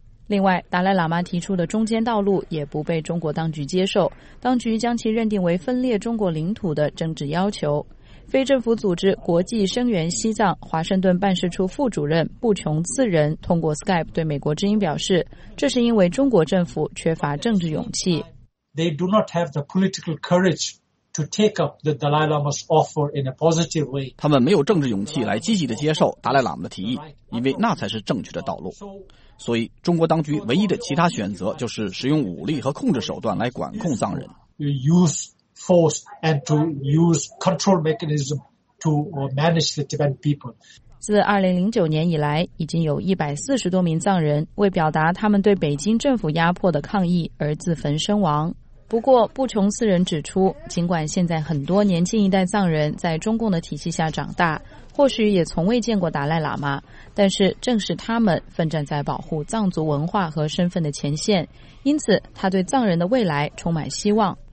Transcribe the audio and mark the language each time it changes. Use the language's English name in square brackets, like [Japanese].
[Chinese] 另外，达赖喇嘛提出的中间道路也不被中国当局接受，当局将其认定为分裂中国领土的政治要求。非政府组织国际声援西藏华盛顿办事处副主任布琼次仁通过 Skype 对美国之音表示，这是因为中国政府缺乏政治勇气。 [English] They do not have the political courage to take up the Dalai Lama's offer in a positive way. [Chinese] 他们没有政治勇气来积极地接受达赖喇嘛的提议，因为那才是正确的道路。所以，中国当局唯一的其他选择就是使用武力和控制手段来管控藏人。 [English] Use force and to use control mechanism to manage the Tibetan people. [Chinese] 自2009年以来，已经有140多名藏人为表达他们对北京政府压迫的抗议而自焚身亡。不过，布琼斯人指出，尽管现在很多年轻一代藏人在中共的体系下长大，或许也从未见过达赖喇嘛，但是正是他们奋战在保护藏族文化和身份的前线，因此他对藏人的未来充满希望。